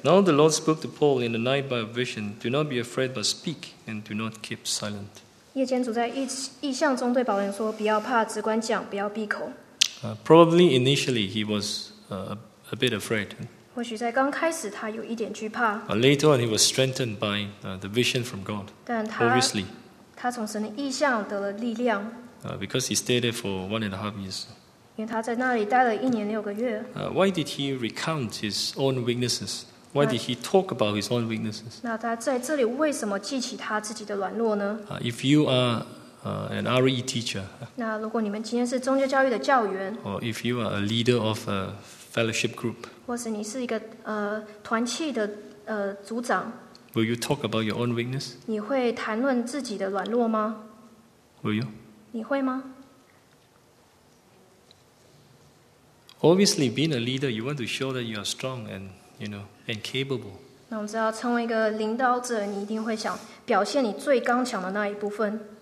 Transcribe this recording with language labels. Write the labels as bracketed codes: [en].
[en] Now the Lord spoke to Paul in the night by a vision. Do not be afraid, but speak, and do not keep silent. [zh] 夜间主在异象中对保罗说，不要怕，只管讲，不要闭口。 [en] Probably initially he was a bit afraid. [zh] 或许在刚开始他有一点惧怕。 [en] Later on he was strengthened by the vision from God. [zh] 但他， [en] obviously. [zh] 他从神的异象得了力量。 [en] Because he stayed there for 1.5 years. [zh] 因为他在那里待了一年六个月。 [en] Why did he recount his own weaknesses? Why did he talk about his own weaknesses? [zh] 那他在这里为什么记起他自己的软弱呢? [en] If you are an RE teacher, [zh] 那如果你们今天是宗教教育的教员, [en] or if you are a leader of a fellowship group, [zh] 或是你是一个, 团契的, 组长, [en] will you talk about your own weakness? [zh] 你会谈论自己的软弱吗? [en] Will you? [zh] 你会吗? [en] Obviously, being a leader, you want to show that you are strong and, you know, and capable. [zh] 那我们知道，成为一个领导者，你一定会想表现你最刚强的那一部分。